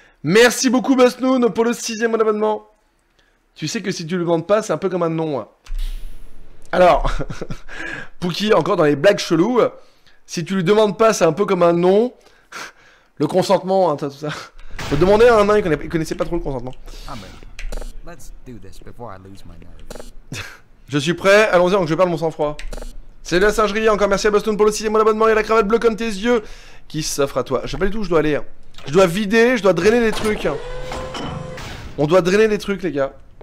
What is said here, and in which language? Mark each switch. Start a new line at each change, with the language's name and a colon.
French: Merci beaucoup, Busnoon, pour le 6e abonnement. Tu sais que si tu le demandes pas, c'est un peu comme un non. Alors, Pookie, encore dans les blagues cheloues, si tu lui demandes pas, c'est un peu comme un non. Le consentement, hein, tout ça. Faut demander à un nain, il connaissait pas trop le consentement.
English: Let's do this before I lose my nerve.
French: Je suis prêt, allons-y, donc je perds mon sang-froid. Salut la singerie, encore merci à Boston pour le 6e abonnement et la cravate bleue comme tes yeux qui s'offre à toi. Je sais pas du tout où je dois aller. Je dois vider, je dois drainer des trucs. On doit drainer des trucs, les gars.